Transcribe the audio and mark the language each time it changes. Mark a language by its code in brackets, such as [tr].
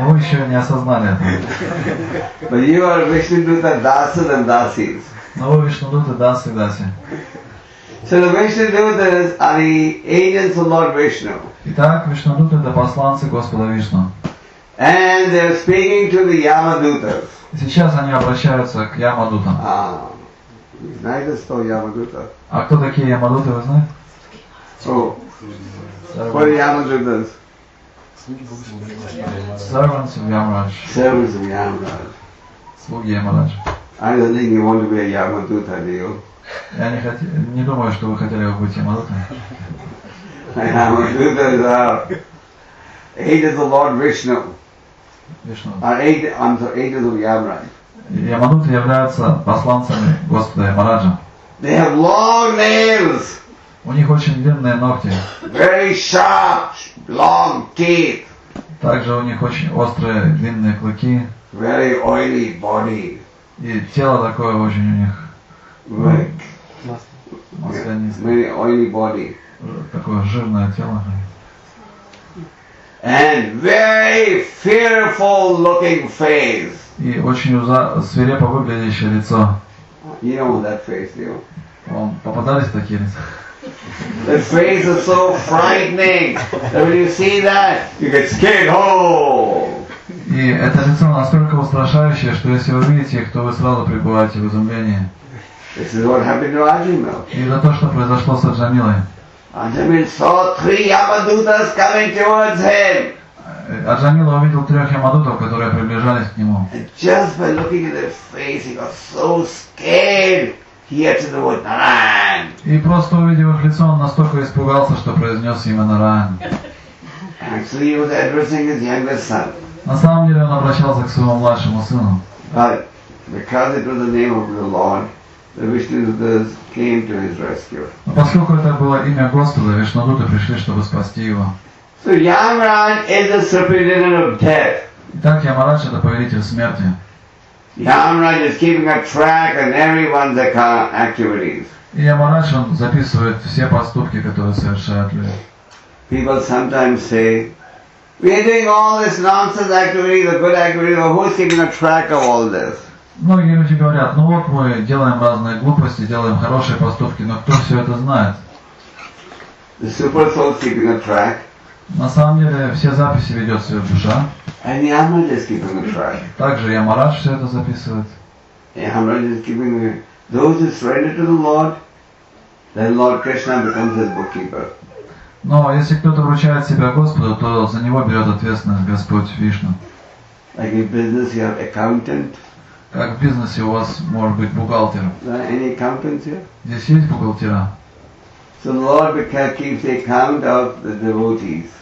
[ru] Вы еще не осознали этого. [en] But you are Vishnu Duta Dasa and Dasis. [ru] Но вы Вишну Дуты Дасы и Даси. [en] So the Vishnu Dutas are the agents of Lord Vishnu. [ru] Итак, Вишну Дуты это посланцы Господа Вишну. [en] And they are speaking to the Yamadutas. [ru] Сейчас они обращаются к Ямадутам. А, знаете, что Ямадута? А кто такие Ямадуты, вы знаете? [en] О, who are Yamadutas? Servants of Yamaraj. Servants of Yamaraj. [ru] Слуги Ямарадж. [en] I don't think you want to be a Yamaduta, do you? [ru] Я не думаю, что вы хотели бы быть Ямадутой. [en] Ямадутас are agents of Lord Vishnu. Agents of Yamaraj. [ru] Ямадуты являются посланцами Господа Ямараджа. [en] They have long nails. [ru] У них очень длинные ногти. [en] Very sharp, long teeth. [ru] Также у них очень острые длинные клыки. [en] Very oily body. [ru] И тело такое очень у них. [en] Very oily body. [ru] Такое жирное тело. [en] And very fearful looking face. [ru] И очень свирепо выглядящее лицо. [en] You know that face, do you? [ru] Вам попадались такие лица? [en] The face is so frightening that when you see that, you get scared. Oh! [ru] И это лицо настолько устрашающее, что если вы видите их, то вы сразу пребываете в изумлении. [en] This is what happened to Arjuna. [ru] И это то, что произошло с Арджамилой. [en] Arjuna saw three Yamadutas coming towards him. Арджамила увидел трех Ямадутов, которые приближались к нему. And just by looking at their face, he got so scared. He had to know Narayan. [ru] И просто увидев их лицо, он настолько испугался, что произнес имя Нараян. [en] Actually, he was addressing his younger son. [ru] На самом деле, он обращался к своему младшему сыну. [en] But because it was the name of the Lord, the Vishnu Dutas came to his rescue. [ru] Но поскольку это было имя Господа, Вишну Дуты пришли, чтобы спасти его. [en] So Yamaraj is the superintendent of death. [ru] Итак, Ямарадж это повелитель смерти. [en] Yamaraj is keeping a track on everyone's activities. [ru] И Ямарадж он записывает все поступки, которые совершают люди. [en] People sometimes say, we are doing all this nonsense activities, the good activities, but who's keeping a track of all this? [ru] Многие люди говорят, ну вот мы делаем разные глупости, делаем хорошие поступки, но кто все это знает? [en] The super soul is keeping a track. [ru] На самом деле все записи ведет своя душа. [en] And Yamaraj is keeping a track. [ru] Также Ямарадж все это записывает. [en] Yamaraj is keeping a... Those who surrender to the Lord, then Lord Krishna becomes his bookkeeper. [ru] Но если кто-то вручает себя Господу, то за него берет ответственность Господь Вишну. [en] Like in business you have accountant. [ru] Как в бизнесе у вас может быть бухгалтер. [en] Any accountants here? [ru] Здесь есть бухгалтера. [en] So the Lord keeps account of the devotees.